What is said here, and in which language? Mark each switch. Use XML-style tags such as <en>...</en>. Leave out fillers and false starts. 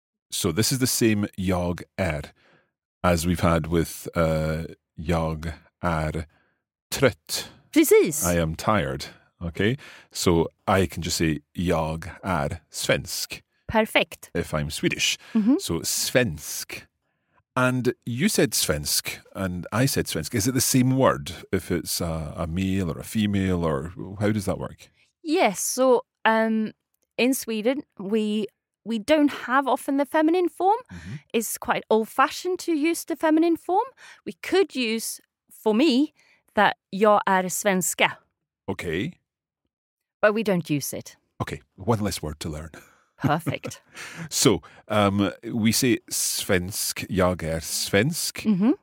<en>So this is the same jag är as we've had with</en> <sv>jag är trött. Precis.</sv> <en>I am tired. Okay, so I can just say</en> <sv>jag är svensk.</sv> <en>Perfect. If I'm Swedish. Mm-hmm. So svensk. And you said svensk and I said svensk. Is it the same word if it's a male or a female or how does that work? Yes. So in Sweden, we don't have often the feminine form. Mm-hmm. It's quite old fashioned to use the feminine form. We could use, for me, that</en> <sv>jag är svenska.</sv> <en>Okay. But we don't use it. Okay. One less word to learn. Perfect. So, we say svensk,</en> <sv>jag är svensk,</sv> <en>mm-hmm.</en>